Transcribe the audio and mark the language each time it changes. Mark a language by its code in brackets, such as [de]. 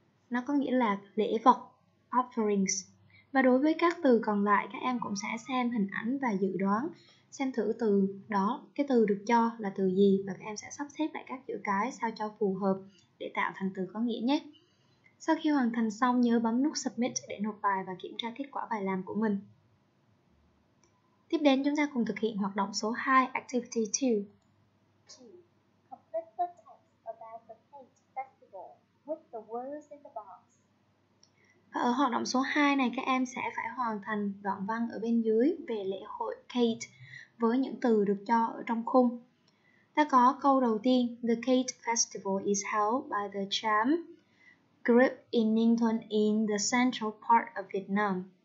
[vi] Nó có nghĩa là lễ vật, offerings. Và đối với các từ còn lại, các em cũng sẽ xem hình ảnh và dự đoán, xem thử từ đó, cái từ được cho là từ gì, và các em sẽ sắp xếp lại các chữ cái sao cho phù hợp để tạo thành từ có nghĩa nhé. Sau khi hoàn thành xong, nhớ bấm nút Submit để nộp bài và kiểm tra kết quả bài làm của mình. Tiếp đến, chúng ta cùng thực hiện hoạt động số 2, Activity 2. 2. [en] Complete the text about the paint festival with the words in the box. [vi] Và ở hoạt động số 2 này, các em sẽ phải hoàn thành đoạn văn ở bên dưới về lễ hội Kate với những từ được cho ở trong khung. Ta có câu đầu tiên, [en] The Kate Festival is held by the Cham Group in Ninh Thuận in the central part of Vietnam.